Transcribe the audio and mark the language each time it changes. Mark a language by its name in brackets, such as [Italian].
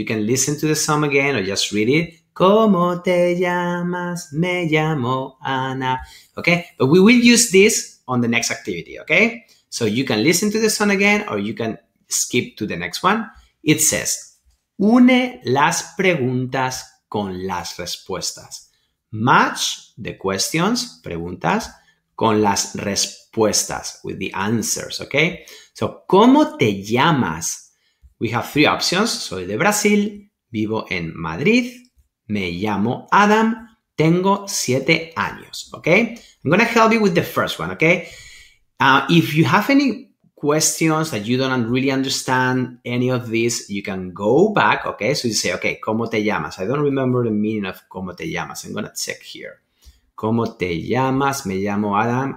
[English] You can listen to the song again or just read it. [Spanish] ¿Cómo te llamas? Me llamo Ana. [English] Ok, but we will use this on the next activity, okay? So you can listen to the song again or you can skip to the next one. It says, [Spanish] une las preguntas con las respuestas. [English] Match the questions, preguntas, [Spanish] con las respuestas, [English] with the answers, okay? So, [Spanish] ¿cómo te llamas? [English] We have three options. [Spanish] Soy de Brasil, vivo en Madrid, me llamo Adam, tengo 7 años, okay? [English] I'm going to help you with the first one, okay? If you have any questions that you don't really understand any of this, you can go back, okay? So you say, okay, [Spanish] ¿cómo te llamas? [English] I don't remember the meaning of ¿cómo te llamas? I'm going to check here. [Spanish] ¿Cómo te llamas? Me llamo Adam.